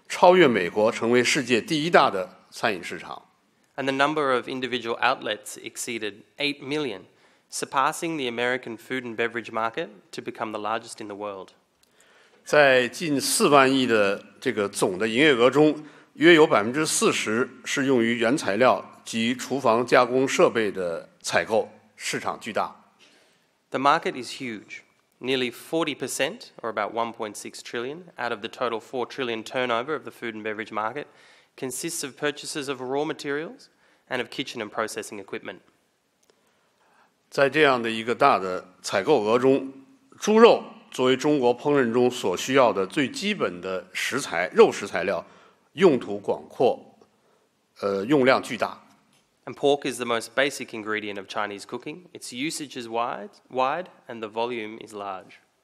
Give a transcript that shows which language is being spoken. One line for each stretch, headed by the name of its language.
Chinese: 餐饮门店的数量呢，门店的数量呢，更是超过了800万家的规模，超越美国，成为世界第一大的餐饮市场。
English: And the number of individual outlets exceeded 8 million, surpassing the American food and beverage market to become the largest in the world.
Chinese: 在近4万亿的这个总的营业额中，约有40%是用于原材料及厨房加工设备的采购，市场巨大。
English: The market is huge. Nearly 40%, or about 1.6 trillion, out of the total 4 trillion turnover of the food and beverage market, consists of purchases of raw materials and of kitchen and processing equipment.
Chinese: 在这样的一个大的采购额中，猪肉 作为中国烹饪中所需要的最基本的食材，肉食材料，用途广阔，用量巨大。
English: And pork is the most basic ingredient of Chinese cooking. Its usage is wide, and the volume is large.